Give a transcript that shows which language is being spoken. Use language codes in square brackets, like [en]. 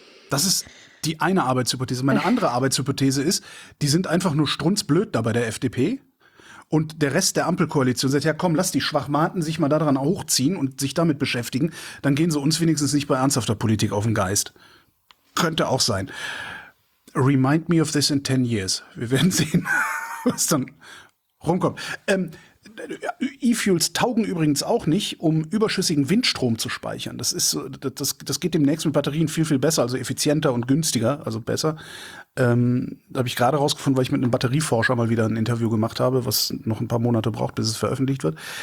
[de] Das ist die eine Arbeitshypothese. Meine andere Arbeitshypothese ist, die sind einfach nur strunzblöd da bei der FDP. Und der Rest der Ampelkoalition sagt, ja komm, lass die Schwachmaten sich mal daran hochziehen und sich damit beschäftigen. Dann gehen sie uns wenigstens nicht bei ernsthafter Politik auf den Geist. Könnte auch sein. [en] Remind me of this in 10 years. [de] Wir werden sehen, was dann rumkommt. E-Fuels taugen übrigens auch nicht, um überschüssigen Windstrom zu speichern. Das geht demnächst mit Batterien viel, viel besser, also effizienter und günstiger, also besser. Da habe ich gerade rausgefunden, weil ich mit einem Batterieforscher mal wieder ein Interview gemacht habe, was noch ein paar Monate braucht, bis es veröffentlicht wird.